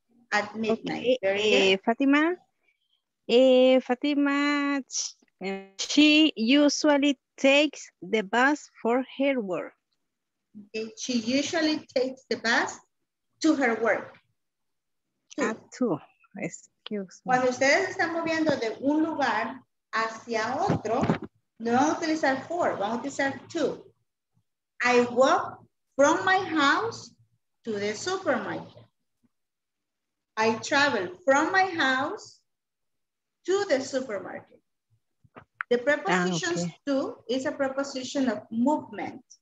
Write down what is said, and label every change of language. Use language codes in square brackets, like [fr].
[en] At midnight. Okay. Fatima. Fatima, she usually takes the bus for her work. Okay. She usually takes the bus to her work. To. Excuse me. [es] Cuando ustedes están moviendo de un lugar hacia otro, no vamos a utilizar for, vamos a utilizar to. [en] I walk from my house to the supermarket. I travel from my house to the supermarket. The preposition to is a preposition of movement.